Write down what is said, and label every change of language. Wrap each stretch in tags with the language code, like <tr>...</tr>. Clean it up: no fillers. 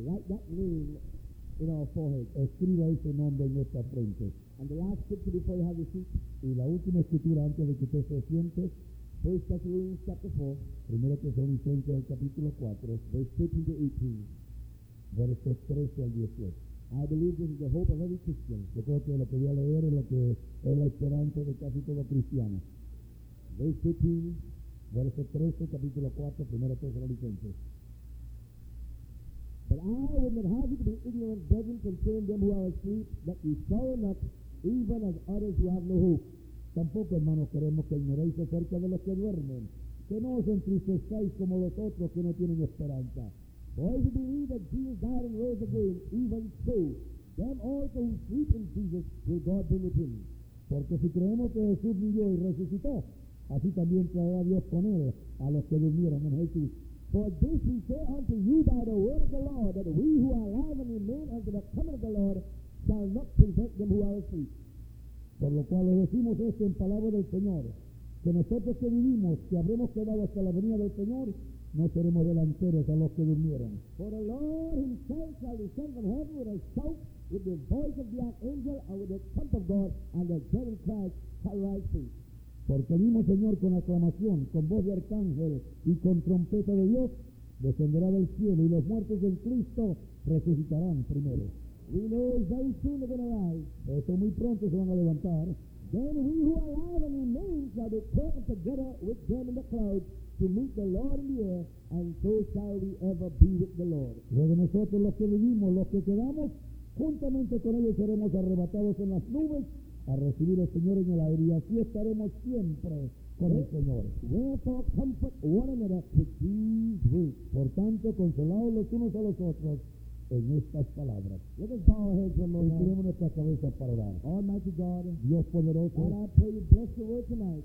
<en>Write that name in our forehead.</en> <es>Escriba ese nombre en nuestra frente.</es> <en>And the last scripture before you have your seat.</en> <es>Y la última escritura antes de que usted se siente.</es> <en>1 Thessalonians chapter 4.</en> <es>Primero Tesalonicenses capítulo 4.</es> <en>Verse 13 to 18.</en> <es>Versos 13 al 18.</es> <en>I believe this is the hope of every Christian.</en> <es>Yo creo que lo que voy a leer es lo que es la esperanza de casi todo cristiano.</es> <en>Verse 13,</en> <es>verso 13, capítulo 4, primera Tesalonicenses.</es> <en>But I would not have you to be ignorant, brethren, concerning them who are asleep, that you sorrow not, even as others who have no hope.</en> <es>Tampoco, hermanos, queremos que ignoréis acerca de los que duermen, que no os entristezcáis como los otros que no tienen esperanza.</es> <en>For if you believe that Jesus died and rose again, even so, them also who sleep in Jesus will God bring with him.</en> <es>Porque si creemos que Jesús vivió y resucitó, así también traerá Dios con él a los que durmieron en Jesús.</es> <en>For this we say unto you by the word of the Lord, that we who are alive and remain unto the coming of the Lord shall not prevent them who are asleep.</en> <es>Por lo cual lo decimos esto en palabra del Señor, que nosotros que vivimos, que habremos quedado hasta la venida del Señor, no seremos delanteros a los que durmieron.</es> <en>For the Lord himself shall descend from heaven with a shout, with the voice of the archangel, and with the trump of God, and the dead in Christ shall rise first.</en> <es>Porque el mismo Señor con aclamación, con voz de arcángel y con trompeta de Dios, descenderá del cielo, y los muertos en Cristo resucitarán primero.</es> <en>We know very soon they're going to rise.</en> <es>Esto muy pronto se van a levantar.</es> <en>Then we who are alive and remain shall be caught together with them in the clouds, to meet the Lord in the air, and so shall we ever be with the Lord.</en> <es>Luego nosotros los que vivimos, los que quedamos, juntamente con ellos seremos arrebatados en las nubes a recibir al Señor en el aire, y así estaremos siempre con el Señor.</es> <en>Wherefore comfort one another with these words.</en> <es>Por tanto, consolaos los unos a los otros en estas palabras.</es> <en>Let us bow our heads, Lord.</en> <es>Inclinemos nuestras cabezas para orar.</es> <en>Almighty God,</en> <es>Dios poderoso,</es> <en>God, I pray you bless the word tonight.</en>